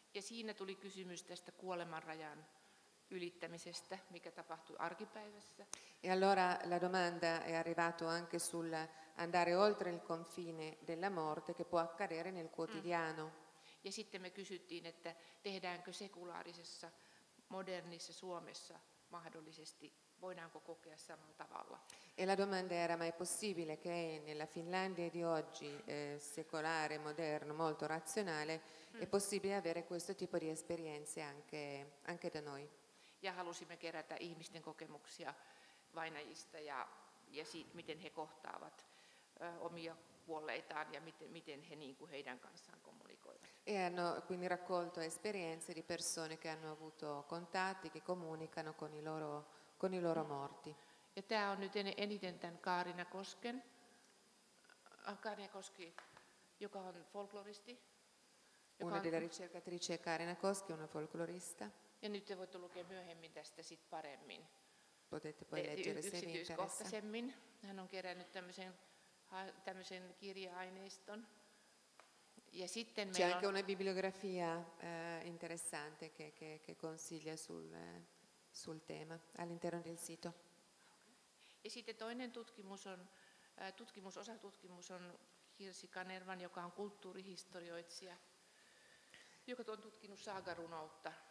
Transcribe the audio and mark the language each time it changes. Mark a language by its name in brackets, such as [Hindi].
[Finnish] Ja siinä tuli kysymys tästä kuolemanrajan ylittämisestä, mikä tapahtui arkipäivässä. [Italian] E allora la domanda è arrivato anche sul andare oltre il confine della morte che può accadere nel quotidiano. [Finnish] Ja sitten me kysyttiin, että tehdäänkö sekulaarisessa modernissa Suomessa mahdollisesti, voidaanko kokea samalla tavalla. [Italian] E la domanda era, ma è possibile che nella Finlandia di oggi, secolare, moderno, molto razionale, è possibile avere questo tipo di esperienze anche da noi? [Finnish] Ja halusimme kerätä ihmisten kokemuksia vainajista ja siitä, miten he kohtaavat omia kuolleitaan ja miten he niin kuin heidän kanssaan kommunikoivat. [Italian] E hanno quindi raccolto esperienze di persone che hanno avuto contatti, che comunicano con i loro morti. [Finnish] Ja tämä on nyt eniten tämän Kaarina Kosken. Kaarina Koski, joka on folkloristi. [Italian] Una delle ricercatrici è Kaarina Koski, una folklorista. [Finnish] Ja nyt te voitte lukea myöhemmin tästä sit paremmin. [Italian] Potete poi leggere se vi interessa. [Finnish] Yksityiskohtaisemmin. Hän on kerännyt tämmöisen kirja-aineiston. Ja sitten [Italian] c'è anche una bibliografia interessante che consiglia sul tema all'interno del sito. [Finnish] Ja sitten toinen tutkimus on, osatutkimus on Hirsi Kanervan, joka on kulttuurihistorioitsija, joka on tutkinut saagarunoutta.